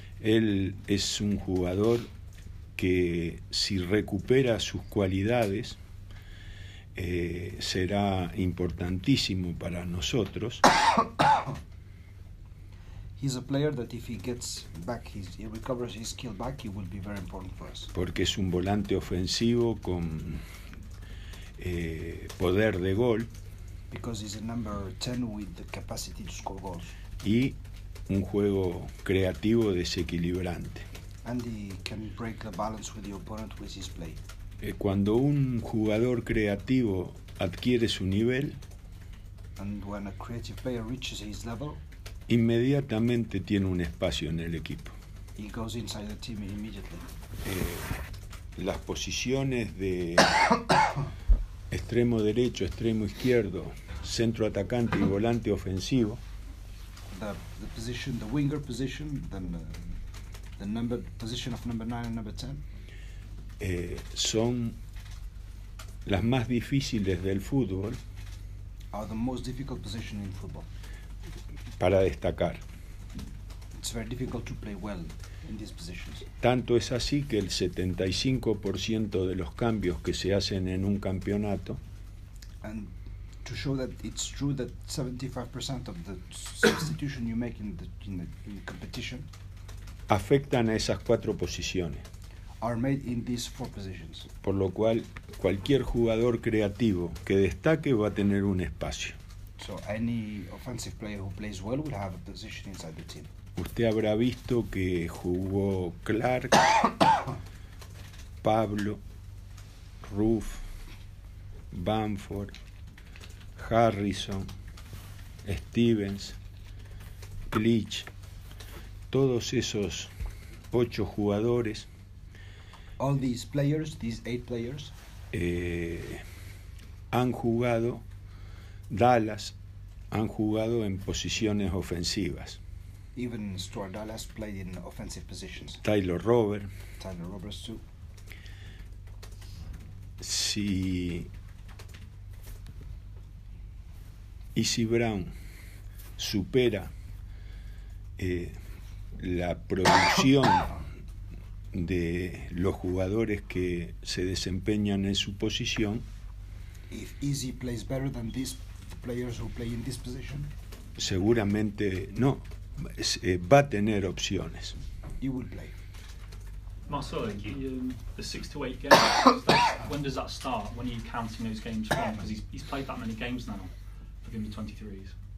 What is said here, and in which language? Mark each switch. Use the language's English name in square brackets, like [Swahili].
[Spanish] Él es un jugador que si recupera sus cualidades será importantísimo para nosotros. [English] He's a player that if he gets back, he recovers his skill back, he will be very important for us. [Spanish] Porque es un volante ofensivo con poder de gol. [English] Because he's a number 10 with the capacity to score goals. [Spanish] Y un juego creativo desequilibrante. [English] And he can break the balance with the opponent with his play. [Spanish] Cuando un jugador creativo adquiere su nivel, [English] and when a creative player reaches his level, [Spanish] inmediatamente tiene un espacio en el equipo. [English] He goes inside the team immediately. [Spanish] Las posiciones de extremo derecho, extremo izquierdo, centro atacante y volante ofensivo. [English] The position, the winger position, then the number position of number 9 and number 10. [Spanish] Son las más difíciles del fútbol. [English] Are the most difficult position in football. [Spanish] Para destacar. [English] It's very difficult to play well in these positions. [Spanish] Tanto es así que el 75% de los cambios que se hacen en un campeonato, [English] and to show that it's true that 75% of the substitution you make in the competition [Spanish] afectan a esas cuatro posiciones. [English] Are made in these four positions. [Spanish] Por lo cual cualquier jugador creativo que destaque va a tener un espacio. [English] So any offensive player who plays well will have a position inside the team. [Spanish] Usted habrá visto que jugó Clark, Pablo, Ruff, Bamford, Harrison, Stevens, Glitch. Todos esos ocho jugadores. [English] All these players, these eight players, [Spanish] han jugado Dallas. Han jugado en posiciones ofensivas. [English] Even Stuart Dallas played in offensive positions. Tyler Roberts too. [Spanish] Si Izzy Brown supera la producción de los jugadores que se desempeñan en su posición. [English] If Izzy plays better than this players who play in this position, [Spanish] seguramente no va a tener opciones. [English] You will play. Marcelo, the 6 to 8 games. When does that start? When are you counting those games from? Because he's played that many games now. For him to 23s.